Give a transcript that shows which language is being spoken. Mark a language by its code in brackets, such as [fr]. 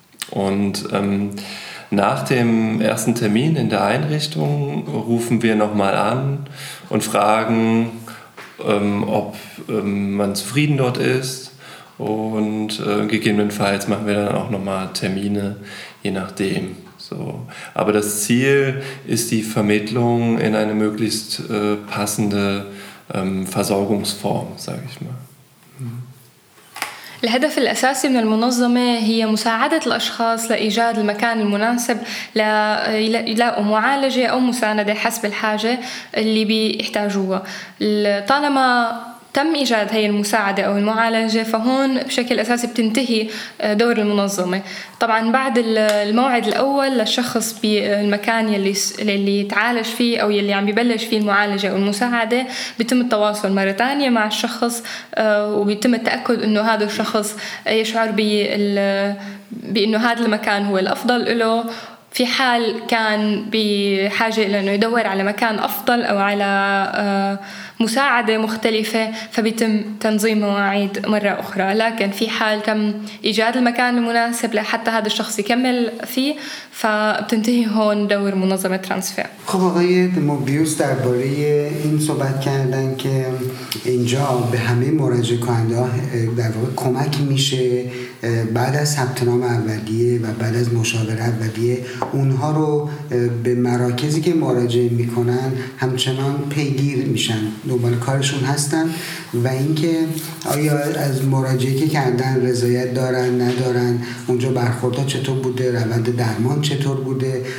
[de] Und nach dem ersten Termin in der Einrichtung rufen wir nochmal an und fragen, ob man zufrieden dort ist und gegebenenfalls machen wir dann auch nochmal Termine, je nachdem. So. Aber das Ziel ist die Vermittlung in eine möglichst passende Versorgungsform, sage ich mal. [ar] الهدف الأساسي من المنظمة هي مساعدة الأشخاص لإيجاد المكان المناسب ليلاقوا معالجة أو مساندة حسب الحاجة اللي بيحتاجوها. طالما تم إيجاد هي المساعدة أو المعالجة فهون بشكل أساسي بتنتهي دور المنظمة طبعاً بعد الموعد الأول للشخص بالمكان يلي تعالج فيه أو يلي عم ببلش فيه المعالجة أو المساعدة بيتم التواصل مرة تانية مع الشخص وبيتم التأكد أنه هذا الشخص يشعر بأنه هذا المكان هو الأفضل له في حال كان بحاجة إلى أنه يدور على مكان أفضل أو على مساعدة مختلفة فبيتم تنظيم مواعيد مرة أخرى. لكن في حال تم إيجاد المكان المناسب لحتى هذا الشخص يكمل فيه فبتنتهي هون دور منظمة ترانسفير. [fa] خب آقای موبیوس در باره این صحبت کردن که اینجا به همه مراجع کننده در واقع کمک میشه بعد از ثبت نام اولیه و بعد از مشاوره اولیه اونها رو به مراکزی که مراجعه میکنن همچنان پیگیر میشن، دنبال کارشون هستن، و اینکه آیا از مراجعه که کردن رضایت دارن ندارن، اونجا برخوردها چطور بوده، روند درمان چطور بوده.